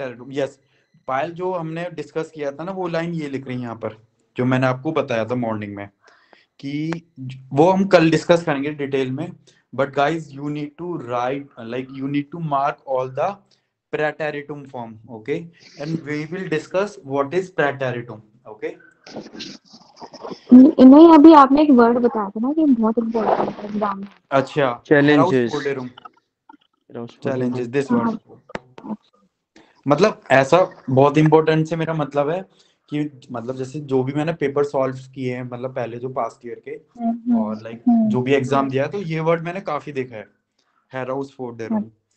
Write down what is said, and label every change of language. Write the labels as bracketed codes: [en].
[hi] Yes, Payal, जो हमने discuss किया था ना, वो line ये लिख रही है यहाँ पर, जो मैंने आपको बताया था morning में, कि वो हम कल discuss करेंगे detail में. [en] But guys, you need to write, like you need to mark all the preteritum form. Okay, and we will discuss what is preteritum. Okay. [hi] नहीं, अभी आपने एक वर्ड बताया था ना कि बहुत इंपॉर्टेंट है एग्जाम. अच्छा, [en] challenges this word, [hi] मतलब ऐसा बहुत इंपॉर्टेंट से मेरा मतलब है कि मतलब जैसे जो भी मैंने पेपर सॉल्व किए हैं, मतलब पहले जो पास्ट ईयर के और लाइक जो भी एग्जाम दिया है, तो ये वर्ड मैंने काफी देखा है, हेरौसफोर्डेरुंग.